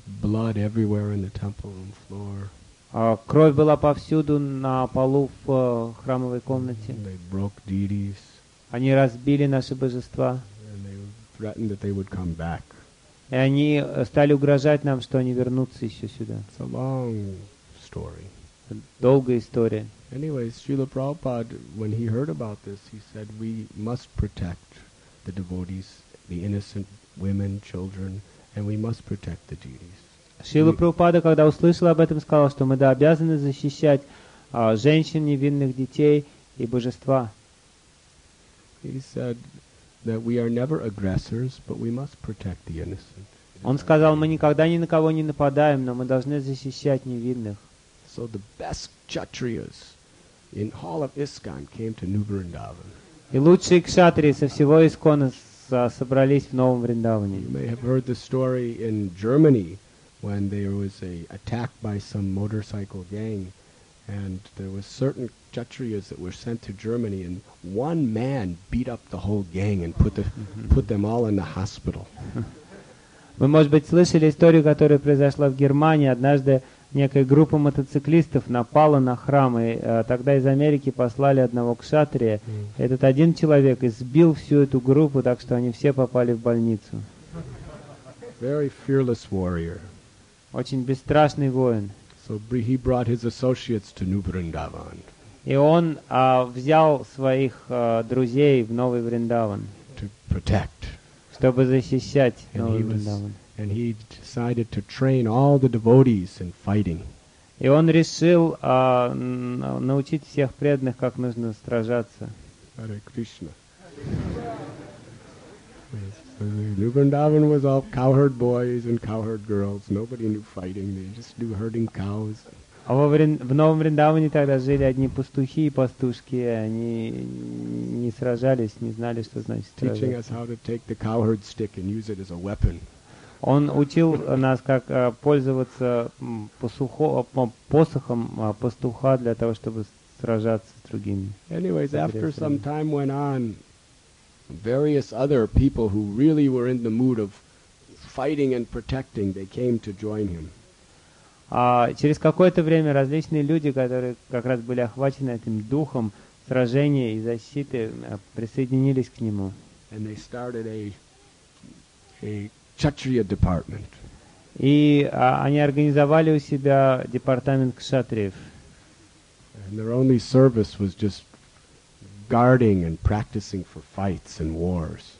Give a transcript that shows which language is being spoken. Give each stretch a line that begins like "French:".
English: Blood everywhere in the temple room floor.
Russian: Кровь была повсюду на полу в храмовой комнате.
English: They broke deities.
Russian: Они разбили наши божества.
English: And they threatened that they would come back.
Russian: И они стали угрожать нам, что они вернутся еще сюда.
English: It's a long story.
Russian: Долгая история.
English: Anyway, Srila Prabhupada, when he heard about this, he said, we must protect the devotees, the innocent women, children, and we must protect the deities.
Russian: Шрила Прабхупада, когда услышал об этом, сказал, что мы обязаны защищать женщин, невинных детей и божества.
English: He said that we are never aggressors, but we must protect the innocent.
Russian: Он сказал, мы никогда ни на кого не нападаем, но мы должны защищать невинных.
English: So the best kshatriyas in all of ISKCON came to New Vrindavan.
Russian: И лучшие кшатрии со всего Искона собрались в Новом Вриндаване.
English: You may have heard the story in Germany when there was an attack by some motorcycle gang, and there were certain kshatriyas that were sent to Germany, and one man beat up the whole gang and put them all in the hospital.
Russian: Вы, может быть, слышали историю, которая произошла в Германии. Однажды некая группа мотоциклистов напала на храм, и тогда из Америки послали одного кшатрия. Этот один человек избил всю эту группу, так что они все попали в больницу.
English: Very fearless warrior.
Russian: Очень бесстрашный воин.
English: So he brought his associates to New Vrindavan.
Russian: И он взял своих друзей в Новый Вриндаван.
English: To protect.
Russian: Чтобы защищать Новый Вриндаван.
English: And he decided to train all the devotees in fighting.
Russian: И он решил научить всех преданных, как нужно сражаться.
English: Hare Krishna. New Vrindavan was all cowherd boys and cowherd girls. Nobody knew fighting. They just knew herding cows.
Russian: А в Новом Вриндаване тогда жили одни пастухи и пастушки. Они не сражались, не знали, что значит сражаться.
English: Teaching us how to take the cowherd stick and use it as a weapon.
Russian: Он учил нас, как пользоваться посохом пастуха для того, чтобы сражаться с другими.
English: Anyways, after some time went on, various other people who really were in the mood of fighting and protecting, they came to join him.
Russian: Через какое-то время различные люди, которые как раз были охвачены этим духом сражения и защиты, присоединились к нему.
English: And they started a Kshatriya department.
Russian: И они организовали у себя департамент кшатриев.
English: And their only service was just guarding and practicing for fights and wars.